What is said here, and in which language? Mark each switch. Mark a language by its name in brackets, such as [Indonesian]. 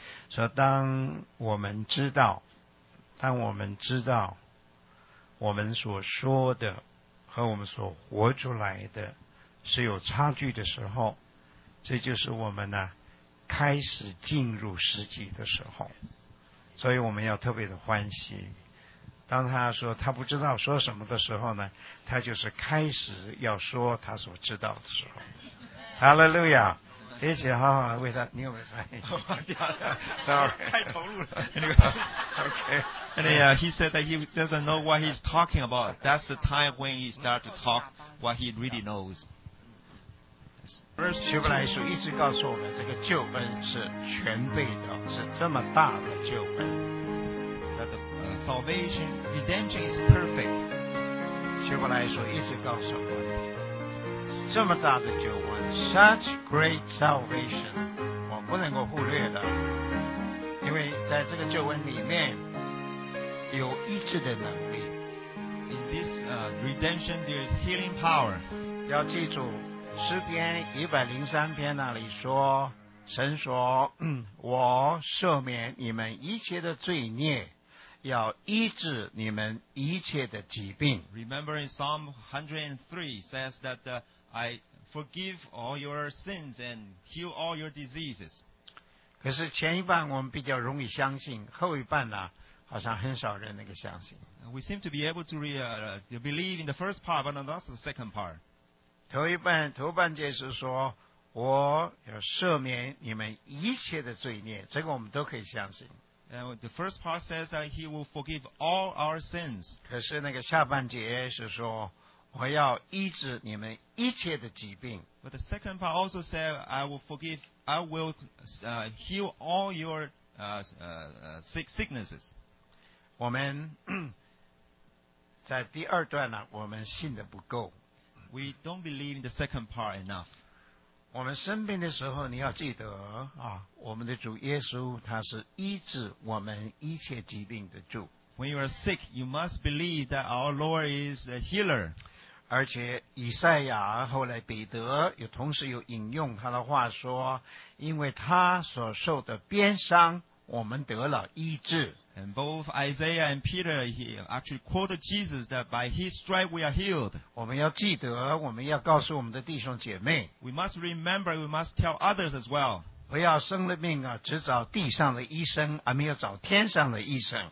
[Chinese] 所以当我们知道我们所说的和我们所活出来的是有差距的时候，这就是我们呢开始进入实际的时候，所以我们要特别的欢喜。当他说他不知道说什么的时候呢，他就是开始要说他所知道的时候。哈利路亚，一起好好为他，你有没有翻译？太投入了。 [English] Okay. And he said that he doesn't know what he's talking about. That's the time when he start to talk what he really knows. [Chinese] First, 希伯来书一直告诉我们，这个救恩是全备的，是这么大的救恩。 [English] Salvation, redemption is perfect. [Chinese] 希伯来书一直告诉我们，这么大的救恩 ， [English] such great salvation， [Chinese] 我不能够忽略的，因为在这个救恩里面有医治的能力。 [English] In this redemption, there is healing power. [Chinese] 要记住。诗篇103篇那里说，神说，我赦免你们一切的罪孽，要医治你们一切的疾病。 [English] Remember in Psalm 103 says that I forgive all your sins and heal all your diseases. [Chinese] 可是前一半我们比较容易相信，后一半呢，好像很少人能够相信。 [English] We seem to be able to believe in the first part, but not the second part. [Chinese] 头半节是说我要赦免你们一切的罪孽，这个我们都可以相信。 [English] The first part says that he will forgive all our sins. [Chinese] 可是那个下半节是说我要医治你们一切的疾病。 [English] But the second part also said I will heal all your sicknesses. [Chinese] 我们在第二段呢，我们信的不够。 [English] We don't believe in the second part enough. [Chinese] 我们生病的时候，你要记得啊，我们的主耶稣他是医治我们一切疾病的主。 [English] When you are sick, you must believe that our Lord is a healer. [Chinese] 而且以赛亚后来彼得也同时有引用他的话说，因为他所受的鞭伤，我们得了医治。 [English] And both Isaiah and Peter actually quoted Jesus that by his stripes we are healed. [Chinese] 我们要记得，我们要告诉我们的弟兄姐妹。 [English] We must remember, we must tell others as well. [Chinese] 不要生了病啊，只找地上的医生，而没有找天上的医生。